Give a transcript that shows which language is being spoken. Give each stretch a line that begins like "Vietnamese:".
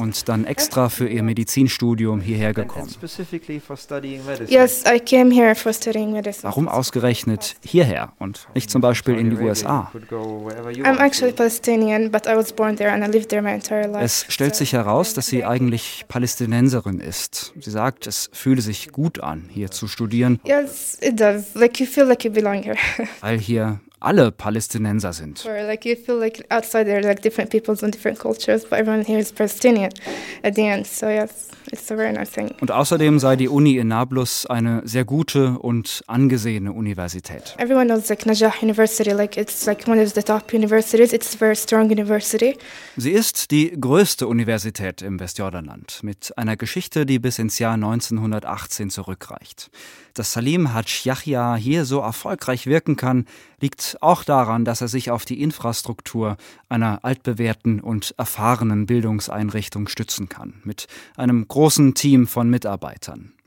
German: Und dann extra für ihr Medizinstudium hierher gekommen.
English: Specifically for studying medicine. Yes, I came here for studying medicine.
German: Warum ausgerechnet hierher und nicht zum Beispiel in die USA?
English: I'm actually Palestinian, but I was born there and I lived there my entire life.
German: Es stellt sich heraus, dass sie eigentlich Palästinenserin ist. Sie sagt, es fühle sich gut an, hier zu studieren.
English: Yes, it does. Like you feel like you belong here.
German: Weil hier alle Palästinenser sind.
English: Or like you feel like outside there are like different peoples and different cultures, but everyone here is Palestinian at the end. So yes, it's a very nice thing.
German: Und außerdem sei die Uni in Nablus eine sehr gute und angesehene Universität.
English: Everyone knows like Najah University, like it's like one of the top universities. It's a very strong university.
German: Sie ist die größte Universität im Westjordanland mit einer Geschichte, die bis ins Jahr 1918 zurückreicht. Dass Salim Hajj Yahya hier so erfolgreich wirken kann, liegt auch daran, dass er sich auf die Infrastruktur einer altbewährten und erfahrenen Bildungseinrichtung stützen kann, mit einem großen Team von Mitarbeitern.